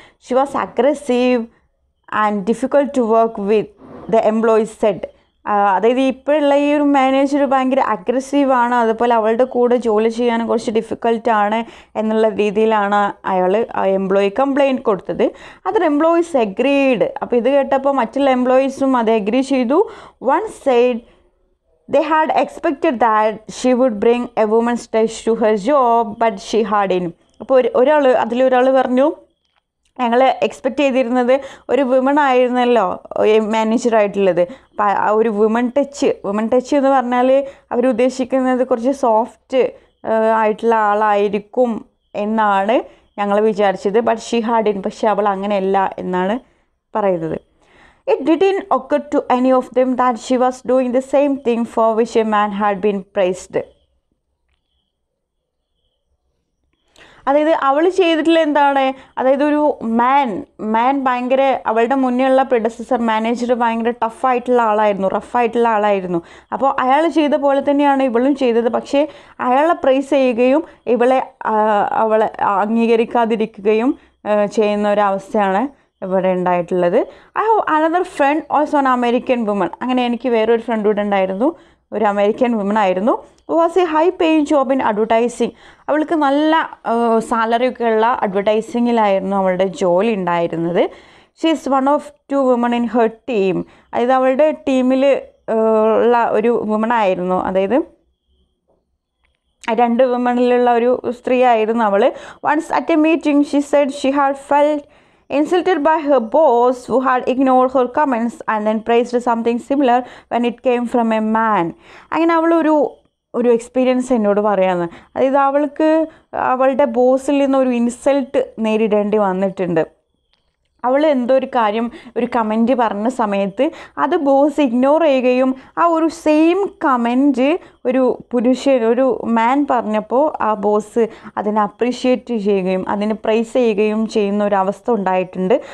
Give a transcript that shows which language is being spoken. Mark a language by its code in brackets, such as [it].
[en] She was aggressive and difficult to work with the employee said. [ml] അതായത് ഇപ്പോഴുള്ള ഈ ഒരു മാനേജർ ഭയങ്കര അഗ്രസീവാണ്, അതുപോലെ അവളുടെ കൂടെ ജോലി ചെയ്യാൻ കുറച്ച് ഡിഫിക്കൾട്ടാണ് എന്നുള്ള രീതിയിലാണ് അയാൾ ആ എംപ്ലോയി കംപ്ലയിൻറ്റ് കൊടുത്തത്. അത് [en] Employees agreed. [ml] അപ്പോൾ ഇത് കേട്ടപ്പോൾ മറ്റുള്ള എംപ്ലോയീസും അത് അഗ്രി ചെയ്തു. [en] One side They had expected that she would bring a woman's touch to her job, but she hadn't. [ml] അപ്പോൾ ഒരാൾ അതിൽ ഒരാൾ പറഞ്ഞു, ഞങ്ങൾ എക്സ്പെക്റ്റ് ചെയ്തിരുന്നത് ഒരു വുമൺ ആയിരുന്നല്ലോ മാനേജറായിട്ടുള്ളത്, അപ്പോൾ ആ ഒരു വുമൺ ടച്ച് എന്ന് പറഞ്ഞാൽ അവരുദ്ദേശിക്കുന്നത് കുറച്ച് സോഫ്റ്റ് ആയിട്ടുള്ള ആളായിരിക്കും എന്നാണ് ഞങ്ങൾ വിചാരിച്ചത്, [en] but she hadn't, [ml] പക്ഷേ അവൾ അങ്ങനെയല്ല എന്നാണ് പറയുന്നത്. [en] It didn't occur to any of them that she was doing the same thing for which a man had been praised. [ml] അതായത് അവൾ ചെയ്തിട്ടുള്ള എന്താണ്, അതായത് ഒരു മാൻ ഭയങ്കര അവളുടെ മുന്നേയുള്ള പ്രിഡസസർ മാനേജർ ഭയങ്കര ടഫായിട്ടുള്ള ആളായിരുന്നു, റഫായിട്ടുള്ള ആളായിരുന്നു. അപ്പോൾ അയാൾ ചെയ്ത പോലെ തന്നെയാണ് ഇവളും ചെയ്തത്, പക്ഷേ അയാളെ പ്രൈസ് ചെയ്യുകയും ഇവളെ അവളെ അംഗീകരിക്കാതിരിക്കുകയും ചെയ്യുന്ന ഒരവസ്ഥയാണ് ഇവിടെ ഉണ്ടായിട്ടുള്ളത്. [en] I have another friend also an American woman. [ml] അങ്ങനെ എനിക്ക് വേറൊരു ഫ്രണ്ട് കൂടെ ഉണ്ടായിരുന്നു, ഒരു അമേരിക്കൻ വുമൺ ആയിരുന്നു. [en] Was a high paying job in advertising. [ml] അവൾക്ക് നല്ല സാലറി ഒക്കെ ഉള്ള അഡ്വർടൈസിങ്ങിലായിരുന്നു അവളുടെ ജോലി ഉണ്ടായിരുന്നത്. [en] She is one of two woman in her team. [ml] അതായത് അവളുടെ ടീമിൽ ഉള്ള ഒരു വുമൺ ആയിരുന്നു, അതായത് രണ്ട് വുമണിലുള്ള ഒരു സ്ത്രീ ആയിരുന്നു അവൾ. [en] Once at a meeting she said she had felt insulted by her boss who had ignored her comments and then praised something similar when it came from a man. [ml] അങ്ങനെ അവൾ ഒരു എക്സ്പീരിയൻസ് എന്നോട് പറയാണ്, അതായത് അവൾക്ക് അവളുടെ ബോസിൽ നിന്ന് ഒരു ഇൻസൾട്ട് നേരിടേണ്ടി വന്നിട്ടുണ്ട്. അവൾ എന്തോ ഒരു കാര്യം ഒരു കമൻറ്റ് പറഞ്ഞ സമയത്ത് അത് ബോസ് ഇഗ്നോർ ചെയ്യുകയും ആ ഒരു സെയിം കമൻറ്റ് ഒരു പുരുഷൻ ഒരു മാൻ പറഞ്ഞപ്പോൾ ആ ബോസ് അതിനെ അപ്രീഷിയേറ്റ് ചെയ്യുകയും അതിന് പ്രൈസ് ചെയ്യുകയും ചെയ്യുന്ന ഒരു അവസ്ഥ ഉണ്ടായിട്ടുണ്ട്.